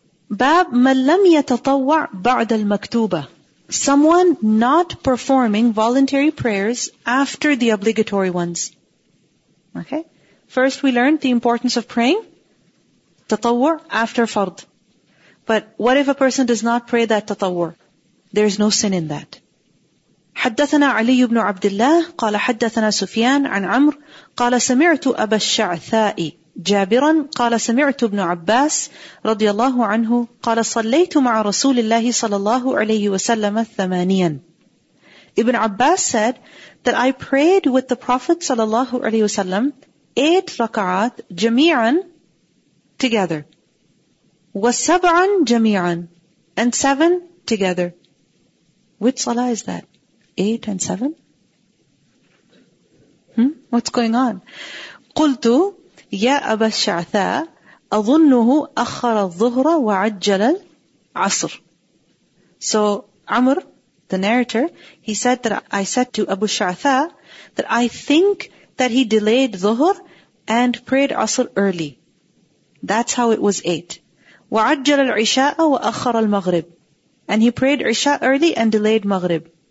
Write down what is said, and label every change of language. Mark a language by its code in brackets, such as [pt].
[ar] Bab man lam yatatawwa ba'd al-maktuba. [en] Someone not performing voluntary prayers after the obligatory ones. Okay? First we learned the importance of praying tatawwa after fard. But what if a person does not pray that tatawwa? There is no sin in that. [ar] حدثنا علي بن عبد الله قال حدثنا سفيان عن عمرو قال سمعت أبا الشعثاء جابرا قال سمعت ابن عباس رضي الله عنه قال صليت مع رسول الله صلى الله عليه وسلم ثمانيا. [en] Ibn Abbas said that I prayed with the Prophet صلى الله عليه وسلم 8 rak'at جميعا together [ar] وسبعا جميعا [en] and 7 together. Which salah is that? 8 and 7? What's going on? [ar] قلت يا أبا الشعثاء أظنه أخر الظهر وعجل العصر. So [en] Amr, the narrator, he said that I said to Abu Sha'tha that I think that he delayed Dhuhr and prayed Asr early. That's how it was 8. [ar] وَعَجَّلَ الْعِشَاءَ وَأَخَّرَ الْمَغْرِبِ. [en] And he prayed Isha early and delayed Maghrib.